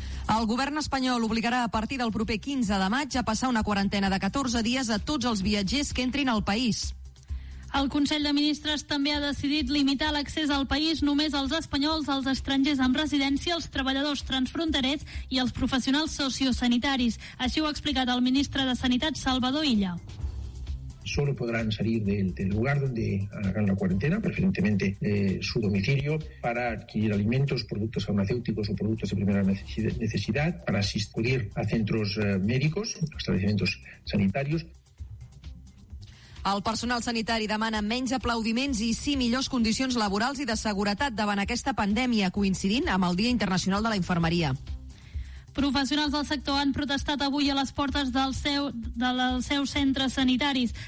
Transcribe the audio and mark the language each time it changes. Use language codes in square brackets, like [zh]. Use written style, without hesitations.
[ca] El govern espanyol obligarà a partir del proper 15 de maig a passar una quarantena de 14 dies a tots els viatgers que entrin al país. El Consell de Ministres també ha decidit limitar l'accés al país només als espanyols, als estrangers amb residència, als treballadors transfronterers i als professionals sociosanitaris. Així ho ha explicat el ministre de Sanitat, Salvador Illa. [es] Solo podrán salir del lugar donde hagan la cuarentena, preferentemente su domicilio, para adquirir alimentos, productos farmacéuticos o productos de primera necesidad, para asistir a centros médicos, a establecimientos sanitarios. [ca] El personal sanitari demana menys aplaudiments i sí millors condicions laborals i de seguretat davant aquesta pandèmia, coincidint amb el Dia Internacional de la Infermeria. Professionals del sector han protestat avui a les portes dels seus centres sanitaris.